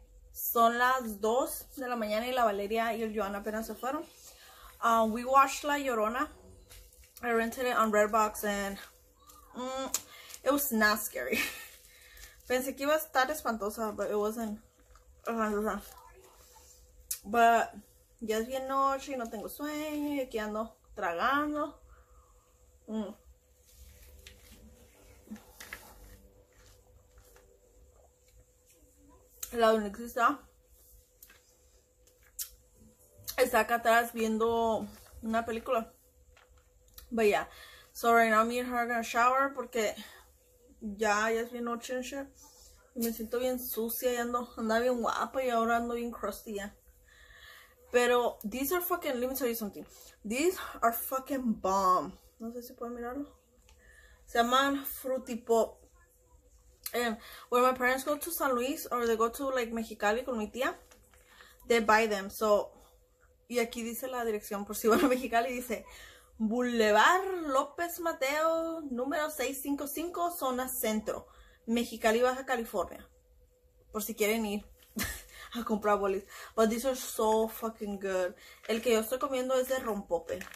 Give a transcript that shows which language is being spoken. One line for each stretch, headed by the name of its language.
Spanish: Son las 2 de la mañana y la Valeria y el Joan apenas se fueron.
English: We watched La Llorona. I rented it on Redbox and it was not scary.
Spanish: Pensé que iba a estar espantosa,
English: but it wasn't
Spanish: espantosa.
English: But
Spanish: ya es bien noche y no tengo sueño y aquí ando tragando. Mm. la electricista está acá atrás viendo una película.
English: But yeah, so right now me and her are gonna shower
Spanish: porque ya es bien noche
English: and shit.
Spanish: Me siento bien sucia y andaba bien guapa y ahora ando bien crusty, ya. Pero
English: these are fucking, let me tell you something. These are fucking bomb.
Spanish: No sé si pueden mirarlo. Se llaman Fruity Pop.
English: And when my parents go to San Luis or they go to like Mexicali
Spanish: con mi tía,
English: they buy them.
Spanish: So, y aquí dice la dirección por si van a Mexicali, dice Boulevard López Mateo, número 655, zona centro. Mexicali, Baja California. Por si quieren ir a comprar bolis.
English: But these are so fucking good.
Spanish: El que yo estoy comiendo es de rompope.